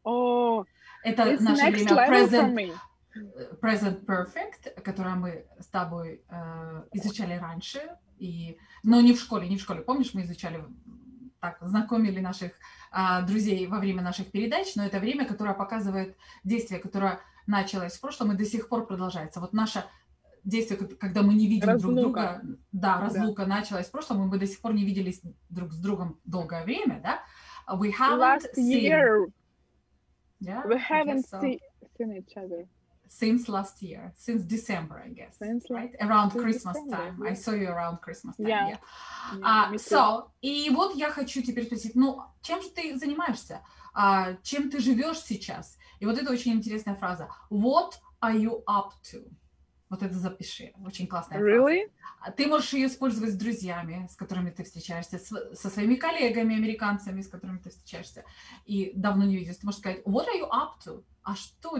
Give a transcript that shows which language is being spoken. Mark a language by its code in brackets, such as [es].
[ru] Oh, это наше время present perfect, которое мы с тобой изучали раньше, но не в школе, Помнишь, мы изучали, так, знакомили наших друзей во время наших передач, но это время, которое показывает действие, которое... началось в прошлом и до сих пор продолжается. Вот наше действие, когда мы не видим разлука. Друг друга, да, разлука да. началась в прошлом, и мы до сих пор не виделись друг с другом долгое время, да? [en] We haven't We haven't seen each other. Since last year, since December, I guess. Since last year. Around Christmas December, time. Yeah. I saw you around Christmas time. Yeah. [ru] И вот я хочу теперь спросить, ну, чем же ты занимаешься? Чем ты живешь сейчас? И вот это очень интересная фраза. [en] What are you up to? [ru] Вот это запиши. Очень классная [en] really? [ru] Фраза. Ты можешь ее использовать с друзьями, с которыми ты встречаешься, со своими коллегами американцами, с которыми ты встречаешься и давно не видишь. Ты можешь сказать, [en] what are you up to? [ru] А что?